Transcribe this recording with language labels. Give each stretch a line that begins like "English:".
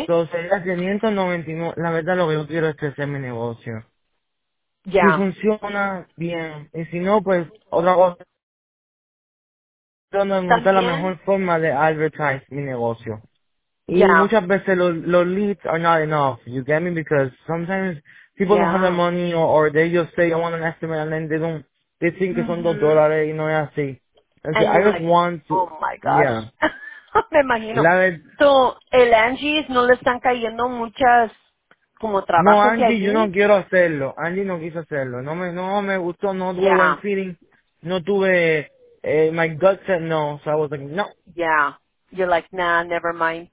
Spanish: Entonces, sería $199. La verdad, lo que yo quiero es crecer mi negocio. Ya. Yeah. Si funciona bien. Y si no, pues, otra cosa. Donde encontrar la mejor forma de advertise mi negocio. Yeah. Y muchas veces los
English: leads are not enough. You get me? Because sometimes people don't have the money or they just say I want an estimate and then they think it's on $2
Spanish: y no es así.
English: And like, I just want to. Oh my gosh. Yeah.
Spanish: Me imagino. So, el Angie's no le están cayendo muchas como trabajo. No, Angie, yo no quiero hacerlo. Angie no quiso hacerlo. No me gustó, no tuve buen feeling. No tuve.
English: My gut said no, so I was like, no. Yeah, you're like, nah, never mind.